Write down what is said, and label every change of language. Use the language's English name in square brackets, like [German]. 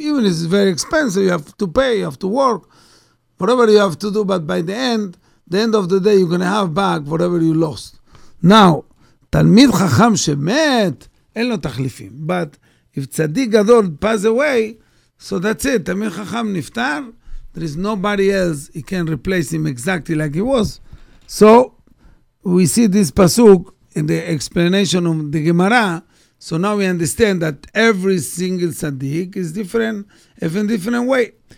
[English] Even if it's very expensive, you have to pay, you have to work, whatever you have to do, but by the end of the day, you're going to have back whatever you lost. [Hebrew] Now, תלמיד חכם שמת, אין לו תחליפים. [English] But if [Hebrew] צדיק גדול [English] passed away, so that's it. [Hebrew] תלמיד חכם נפטר, [English] there is nobody else he can replace him exactly like he was. So, we see this pasuk in the explanation of the Gemara. So now we understand that every single tzaddik is different, even different way.